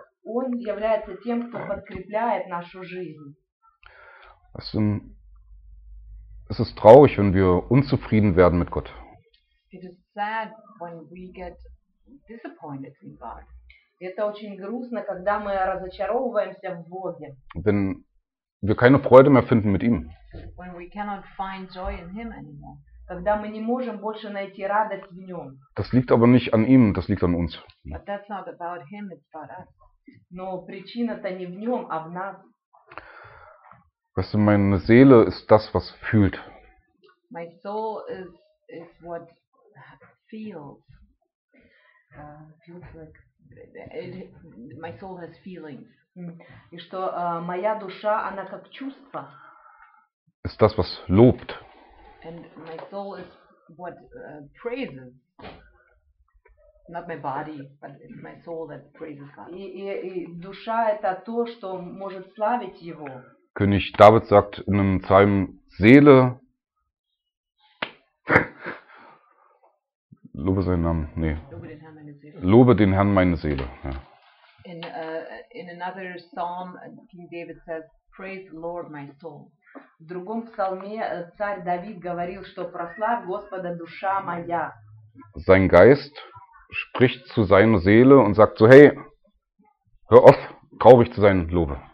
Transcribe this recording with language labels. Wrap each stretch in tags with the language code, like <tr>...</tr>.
<ru>Он является тем, кто подкрепляет нашу жизнь.</ru> <de>Es ist traurig, wenn wir unzufrieden werden mit Gott.</de> <en>It is sad when we get disappointed in God.</en> <ru>Это очень грустно, когда мы разочаровываемся в Боге.</ru> <de>Wenn wir keine Freude mehr finden mit ihm.</de> <en>When we cannot find joy in him anymore.</en> <ru>Когда мы не можем больше найти радость в нем.</ru> <de>Das liegt aber nicht an ihm, das liegt an uns.</de> <en>But that's not about him, it's about us.</en> <ru>Но причина-то не в нем, а в нас.</ru> <de>Weißt du, meine Seele ist das, was fühlt.</de> <en>My soul is what feels. Feels like my soul has feelings.</en> <ru>И что моя душа, она как чувство.</ru> <de>Ist das, was lobt.</de> <en>And my soul is what praises. Not my body, but it's my soul that praises God.</en> <ru>И душа это то, что может славить его.</ru> <de>König David sagt in einem Psalm, Seele, lobe seinen Namen, nee, lobe den Herrn meine Seele. Ja.</de> <en>In another Psalm, King David says, praise the Lord my soul.</en> <ru>В другом псалме царь Давид говорил, что прославь Господа душа моя.</ru> <de>Sein Geist spricht zu seiner Seele und sagt so, hey, hör auf, traurig zu sein, lobe.</de>